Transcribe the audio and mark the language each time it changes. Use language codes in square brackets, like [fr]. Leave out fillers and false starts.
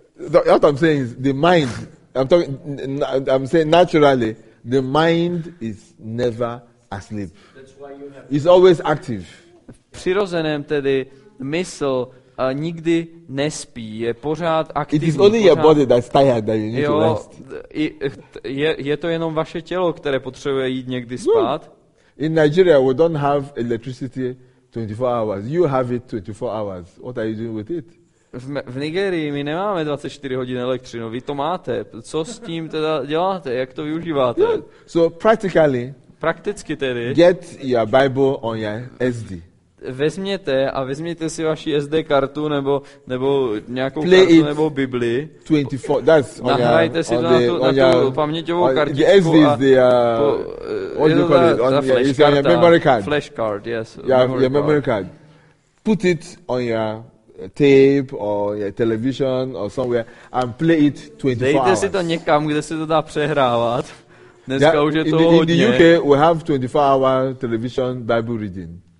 [en] What I'm saying is the mind. I'm saying naturally the mind is never asleep. It's always active. [cs] Přirozeném tedy mysl nikdy nespí, je pořád aktivní. [en] It is only your body that's tired that you need to rest. [cs] Je to jenom vaše tělo, které potřebuje jít někdy spát. [en] In Nigeria we don't have electricity 24 hours. You have it 24 hours. What are you doing with it? [cs] V Nigerii my nemáme 24 hodin elektřinu. Vy to máte. Co s tím teda děláte? Jak to využíváte? [en] Yeah. So practically. [cs] Prakticky tedy. [en] Get your Bible on your SD. [cs] Vezměte a vezměte si vaši SD kartu nebo nějakou Play kartu nebo Bibli. [en] 24. That's on your. [cs] Nahrajte si to na tu paměťovou kartičku. [en] The SD is the what do you call it? On your memory card. Flash card, yes. Yeah, your memory card. Put it on your tape or your television or somewhere and play it 24 [cs] Dejte [en] hours. [cs] Si to někam, kde se to dá přehrávat. Dneska yeah, už je to hodně. [en] In the UK we have 24 hour television Bible reading.